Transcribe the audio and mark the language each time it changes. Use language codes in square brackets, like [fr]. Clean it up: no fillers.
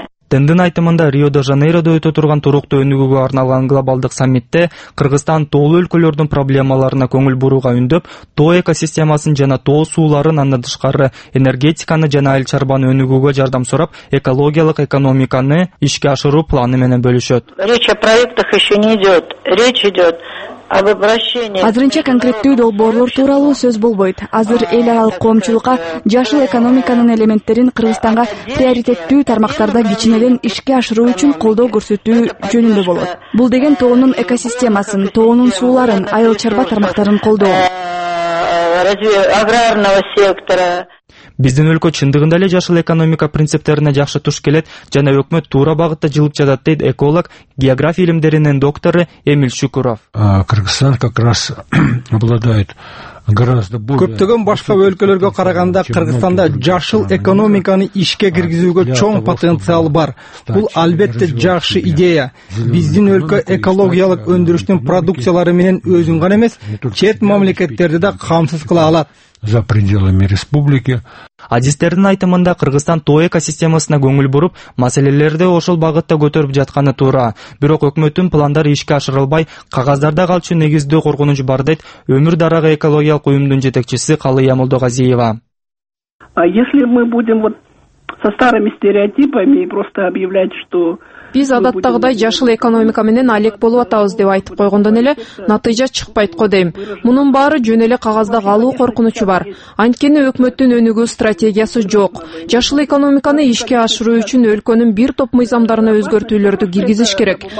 [ky] Тендин айтымында Рио-де-Жанейрода өтө турган туруктуу өнүгүүгө арналган глобалдык саммитте Кыргызстан тоолуу өлкөлөрдүн проблемаларына көңүл бурууга үндөп, тоо экосистемасын жана тоо сууларын андан тышкары энергетиканы жана айыл чарбаны өнүгүүгө жардам сурап, экологиялык экономиканы ишке ашыруу планы менен бөлүшөт. [ru] Речь о проектах еще не идет. Речь идет [ky] Азырынча конкреттүү долбоорлор тууралуу сөз болбойт. Азыр эл аралык коомчулукка жашыл экономиканын элементтерин Кыргызстанга приоритеттүү тармактарда кичинеден ишке ашыруу үчүн колдоо көрсөтүү жөнүндө болот. Бул деген тоонун экосистемасын, тоонун сууларын, айыл чарба тармактарын колдоо. Биздин өлкө чындыгында эле жашыл экономика принциптерине жакшы туш келет жана өкмөт туура багытта жылып жатат, дейт эколог, география илимдеринин доктору Эмиль Шүкуров. [ru] Кыргызстан как раз обладает гораздо более. [ky] Көптөгөн башка өлкөлөргө караганда Кыргызстанда жашыл экономиканы ишке киргизүүгө чоң потенциал бар. Бул албетте жакшы идея. Биздин өлкө экологиялык өндүрүштүн продукциялары менен өзүн гана эмес, чет мамлекеттерди да камсыз кыла алат. [ru] За пределами республики. [ky] Адистердин айтымында Кыргызстан тоо экосистемасына көңүл буруп, маселелерди ошол багытта көтөрүп жатканы туура. Бирок өкмөттүн пландары ишке ашырылбай, кагаздарда калчу негизде коргонуч бар, дейт Өмүр дарагы экологиялык уюмдун жетекчиси Калыя Молдогазиева. [ru] Если мы будем вот со старыми стереотипами просто объявлять, что [ky] биз адаттагыдай жашыл экономика менен алек болуп атабыз деп айтып койгондон эле натыйжа чыкпайт го дейм. Мунун баары жөн эле кагазда калуу коркунучу бар. Анткени өкмөттүн өнүгүү стратегиясы жок. Жашыл экономиканы ишке ашыруу үчүн өлкөнүн бир топ мыйзамдарына өзгөртүүлөрдү киргизиш керек.